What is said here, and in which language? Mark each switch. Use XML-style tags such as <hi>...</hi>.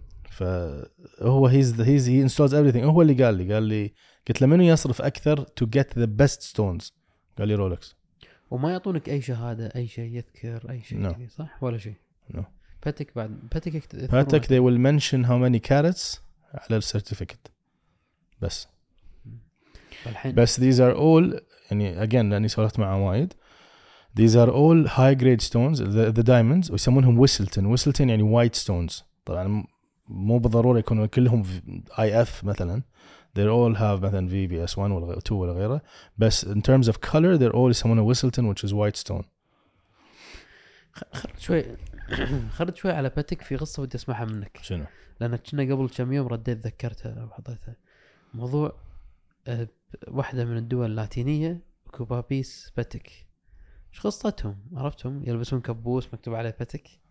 <ar>فهو</ar> <en>he installs everything.</en> <ar>هو اللي قال لي قلت له منو يصرف أكثر</ar> <en>to get the best stones؟</en> <ar>قال لي رولكس. وما يعطونك أي شهادة أي شيء يذكر أي شيء no. صح ولا شيء؟</ar> <en>no.</en> <ar>باتك بعد باتك</ar> <en>باتك they will mention how many carats</en> <ar>على السيرتيفيكت بس. الحين</ar> <en>بس these are all</en> <ar>يعني again لأني سولفت مع وايد</ar> <en>these are all high grade stones the diamonds ويسمونهم whistleton يعني white stones.</en> <ar>طبعا مو بالضرورة يكونوا كلهم</ar> <en>IF مثلا they all have مثلا VBS 1 ولا 2 ولا غيره بس in terms of color they're all يسمونه whistleton which is white stone.</en> <ar>خرج شوي على باتيك في قصة بدي أسمعها منك. شنو؟ لأن كنا قبل كم يوم رديت ذكرتها وحطيتها موضوع واحدة من الدول اللاتينية كوبابيس باتيك شو قصتهم عرفتهم يلبسون كبوس مكتوب عليه باتيك.</ar>